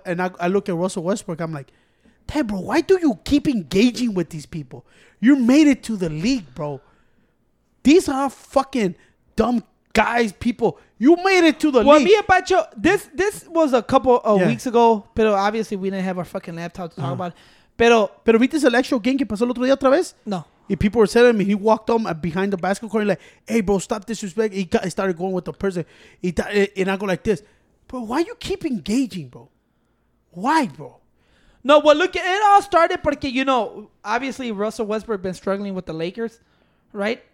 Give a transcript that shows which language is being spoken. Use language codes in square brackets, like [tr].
[en] And I look at Russell Westbrook, I'm like, damn, bro, why do you keep engaging with these people? You made it to the league, bro. These are fucking dumb guys, people. You made it to the league. Well, me and Pacho, this was a couple of weeks ago, pero obviously we didn't have our fucking laptop to talk about it. [es] Pero viste el [en] actual game [es] que pasó el otro día otra vez? [en] No. And people were telling me, he walked on behind the basketball court, like, hey, bro, stop disrespect. He started going with the person. And I go like this. Bro, why you keep engaging, bro? Why, bro? No, but look, it all started because, you know, obviously Russell Westbrook been struggling with the Lakers, right?